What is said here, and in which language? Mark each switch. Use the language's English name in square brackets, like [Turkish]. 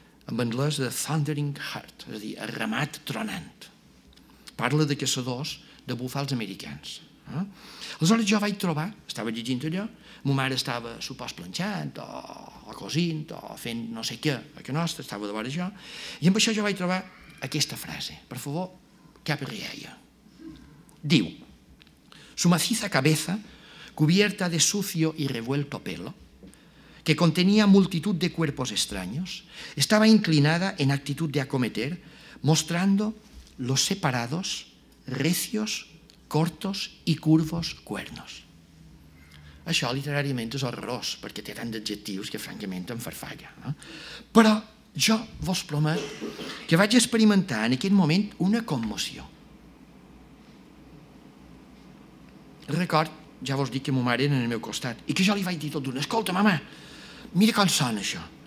[Catalan] En anglès, The Thundering Heart, és a dir, el ramat tronant. Parla de caçadors de búfals americans. Aleshores jo vaig trobar, estava llegint allò, ma mare estava supòs planxant o cosint o fent no sé què, perquè nostre, estava de vora jo, i amb això jo vaig trobar aquesta frase, per favor, cap rieia. [Spanish] Diu, su maciza cabeza, cubierta de sucio y revuelto pelo, que contenía multitud de cuerpos extraños, estaba inclinada en actitud de acometer, mostrando los separados, recios, cortos y curvos cuernos. [Catalan] Això literàriament és horrorós, perquè té tant d'adjectius que francament em farfalla. No? Però jo vos promet que vaig experimentar en aquest moment una commoció. Record, ja vos dic que ma mare era en el meu costat, i que jo li vaig dir tot d'una, escolta, mama, mira com sona això.